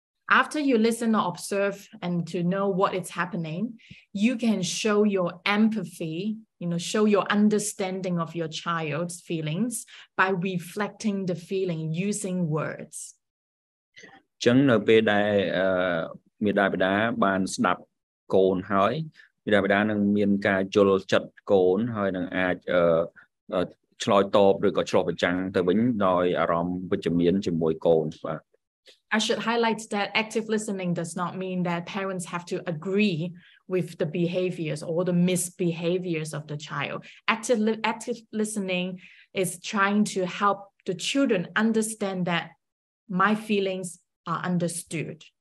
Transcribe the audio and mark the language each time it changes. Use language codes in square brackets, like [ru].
[en] After you listen or observe and to know what is happening, you can show your empathy, you know, show your understanding of your child's feelings by reflecting the feeling using words. [km] ចឹងនៅពេលដែលមាតាបិតាបានស្ដាប់កូនហើយមាតាបិតានឹងមានការជល់ចិត្តកូនហើយនឹងអាចឆ្លើយតបឬក៏ឆ្លោះបញ្ចាំងទៅវិញដោយអារម្មណ៍វិជ្ជមានជាមួយកូនបាទ [en] I should highlight that active listening does not mean that parents have to agree with the behaviors or the misbehaviors of the child. Active listening is trying to help the children understand that my feelings are understood.